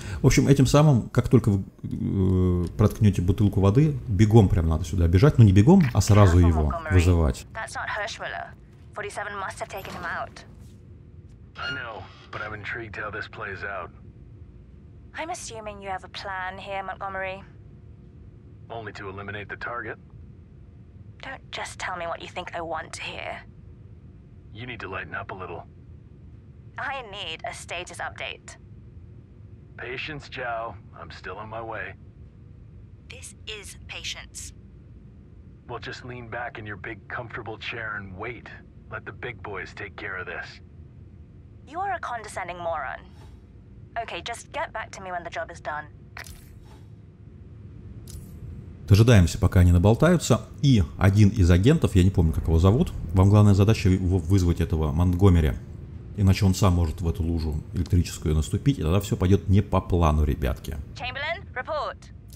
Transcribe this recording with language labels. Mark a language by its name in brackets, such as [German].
[Russian] В общем, этим самым, как только вы проткнете бутылку воды, бегом прям надо сюда бежать, ну не бегом, а сразу его вызывать. [English] That's not Hirschmuller. 47 must have taken him out. I know, but I'm intrigued how this plays out. I'm assuming you have a plan here, Montgomery. Only to eliminate the target. Don't just tell me what you think I want to hear. You need to lighten up a little. I need a status update. Patience, Zhao. I'm still on my way. This is patience. Well, just lean back in your big comfortable chair and wait. Let the big boys take care of this. You are a condescending moron. Okay, just get back to me when the job is done. [Russian] Дожидаемся, пока они наболтаются. И один из агентов, я не помню, как его зовут, вам главная задача его вызвать, этого Монтгомери. Иначе он сам может в эту лужу электрическую наступить, и тогда все пойдет не по плану, ребятки. [English] Chamberlain, report.